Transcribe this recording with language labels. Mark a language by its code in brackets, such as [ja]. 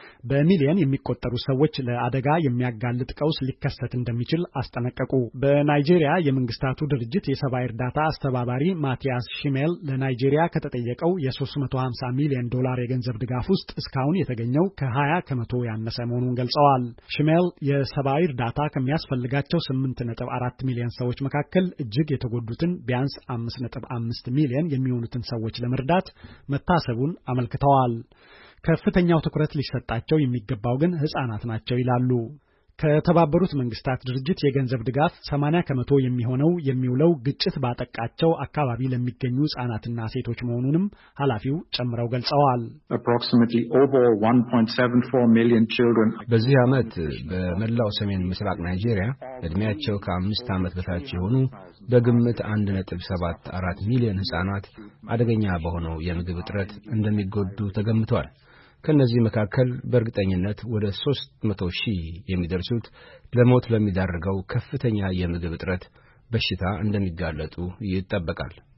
[am] በሚሊየን የሚቆጠሩ ሰዎች ለአደጋ የሚያጋልጥ ቀውስ ሊከሰት እንደሚችል አስጠነቀቁ። በናይጄሪያ የመንግስታቱ ድርጅት የሰብአዊ እርዳታ አስተባባሪ ማቲያስ ሺሜል ለናይጄሪያ ከተጠየቀው የ350 ሚሊዮን ዶላር የገንዘብ ድጋፍ ውስጥ እስካሁን የተገኘው ከ20% ያነሰ መሆኑን ገልጸዋል። ሺሜል የሰብአዊ እርዳታ ከሚያስፈልጋቸው 8.4 ሚሊዮን ሰዎች መካከል እጅግ የተጎዱትን ቢያንስ 5.5 ሚሊዮን የሚሆኑትን ሰዎች ለመርዳት መታሰቡን አመልክተዋል። ከፍተኛው ትኩረት ሊሰጣቸው የሚገባው ግን ሕፃናት ናቸው ይላሉ። ከተባበሩት መንግስታት ድርጅት የገንዘብ ድጋፍ 80% የሚሆነው የሚውለው ግጭት ባጠቃቸው አካባቢ ለሚገኙ ሕፃናትና ሴቶች መሆኑንም ኃላፊው ጨምረው ገልጸዋል። [en] Approximately over 1.74 million children. [am] በዚህ አመት በመላው ሰሜን ምስራቅ ናይጄሪያ እድሜያቸው ከአምስት አመት በታች የሆኑ በግምት 1.74 ሚሊዮን ሕፃናት አደገኛ በሆነው የምግብ እጥረት እንደሚጎዱ ተገምቷል። ከነዚህ መካከል በርግጠኝነት ወደ 300 ሺህ የሚደርሱት ለሞት ለሚዳርገው ከፍተኛ የምግብ እጥረት በሽታ እንደሚጋለጡ ይጠበቃል።